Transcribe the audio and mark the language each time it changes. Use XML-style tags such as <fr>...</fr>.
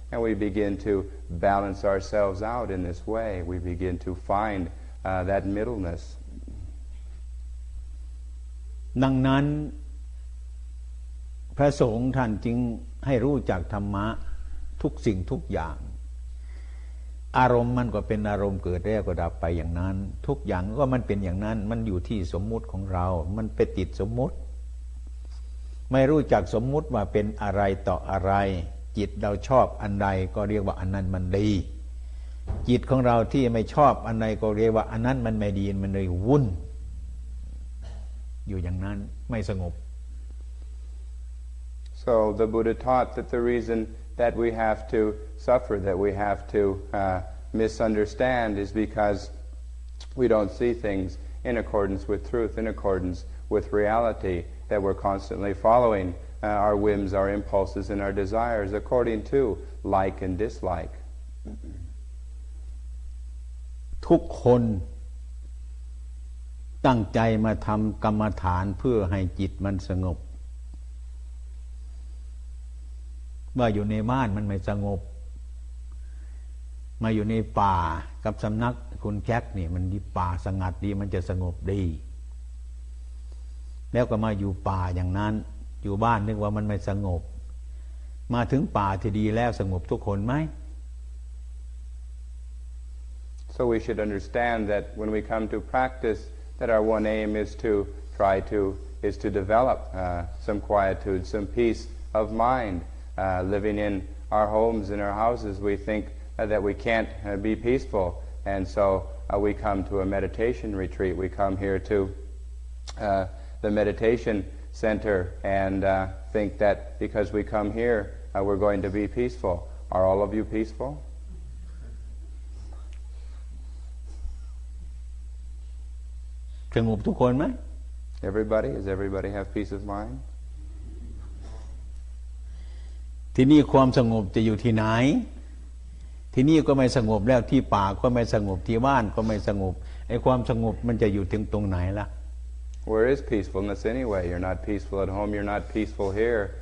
<en>And we begin to balance ourselves out in this way. We begin to find that middleness.</en> <th>ดังนั้นพระสงฆ์ท่านจึงให้รู้จักธรรมะทุกสิ่งทุกอย่างอารมณ์มันก็เป็นอารมณ์เกิดแล้วก็ดับไปอย่างนั้นทุกอย่างก็มันเป็นอย่างนั้นมันอยู่ที่สมมุติของเรามันไปติดสมมุติ ไม่รู้จักสมมุติว่าเป็นอะไรต่ออะไรจิตเราชอบอันใดก็เรียกว่าอันนั้นมันดีจิตของเราที่ไม่ชอบอันใดก็เรียกว่าอันนั้นมันไม่ดีมันเลยวุ่นอยู่อย่างนั้นไม่สงบ</th> <en>So the Buddha taught that the reason that we have to suffer that we have to misunderstand is because we don't see things in accordance with truth in accordance with reality that we're constantly following our whims our impulses and our desires according to like and dislike</en> <th>ทุกคนตั้งใจมาทำกรรมฐานเพื่อให้จิตมันสงบว่าอยู่ในบ้านมันไม่สงบมาอยู่ในป่ากับสำนักคุณแจ็คนี่มันป่าสงัดดีมันจะสงบดีแล้วก็มาอยู่ป่าอย่างนั้นอยู่บ้านนึกว่ามันไม่สงบมาถึงป่าที่ดีแล้วสงบทุกคนไหม</th> <en>So we should understand that when we come to practiceThat our one aim is to try to is to develop some quietude, some peace of mind. Living in our homes, in our houses, we think that we can't be peaceful, and so we come to a meditation retreat. We come here to the meditation center and think that because we come here, we're going to be peaceful. Are all of you peaceful?</en> <th>สงบทุกคนไหม</th> <en>Everybody, does everybody have peace of mind?</en> <th>ที่นี่ความสงบจะอยู่ที่ไหนที่นี่ก็ไม่สงบแล้วที่ป่าก็ไม่สงบที่บ้านก็ไม่สงบไอ้ความสงบมันจะอยู่ถึงตรงไหนล่ะ</th> <en>Where is peacefulness anyway? You're not peaceful at home. You're not peaceful here.</en>